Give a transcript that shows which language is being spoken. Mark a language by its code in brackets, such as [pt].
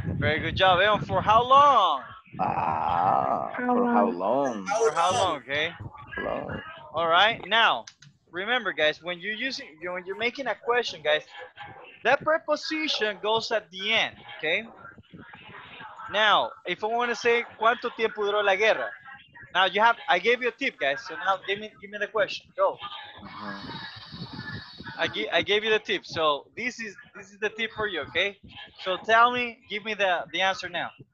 [en] Very good job. Everyone, for how long? For how long, okay? All right, now, remember, guys, when you're making a question, guys, that preposition goes at the end, okay? Now, if I want to say, [es] ¿cuánto tiempo duró la guerra? [en] Now, I gave you a tip, guys, so now give me the question, go. I gave you the tip, so this is the tip for you, okay? So tell me, give me the answer now.